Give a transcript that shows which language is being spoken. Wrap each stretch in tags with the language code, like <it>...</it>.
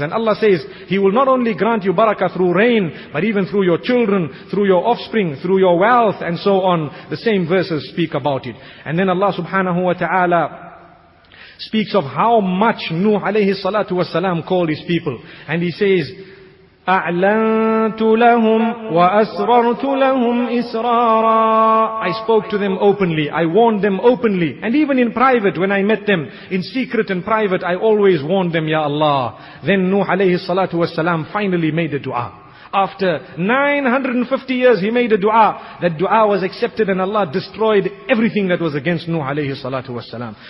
<en>And Allah says, He will not only grant you barakah through rain, but even through your children, through your offspring, through your wealth, and so on. The same verses speak about it. And then Allah subhanahu wa ta'ala speaks of how much Nuh alayhi salatu wasalam called his people. And he says,</en> <ar>أَعْلَنْتُ لَهُمْ وَأَسْرَرْتُ لَهُمْ إِسْرَارًا.</ar> <en>I spoke to them openly, I warned them openly, and even in private when I met them, in secret and private, I always warned them, Ya Allah. Then Nuh alayhi salatu wasalam finally made a dua. After 950 years, he made a dua. That dua was accepted, and Allah destroyed everything that was against Nuh alayhi salatu wasalam.</en>